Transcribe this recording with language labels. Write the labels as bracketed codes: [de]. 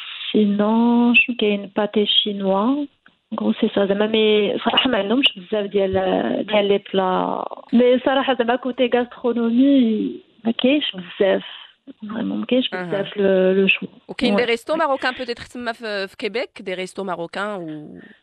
[fr] Sinon je trouve qu'il y a une pâté chinoise. Gros, c'est ça. [ar] Mais صراحة ما عندهمش بزاف ديال [fr] لي بلا. [ar] Mais صراحة زعما [fr] côté gastronomie, [ar] ما كاينش بزاف. Vraiment, ما كاينش بزاف [fr] le choix. OK, ouais. Des restos marocains peut-être [ar] tma f Québec, [fr] des restos marocains ou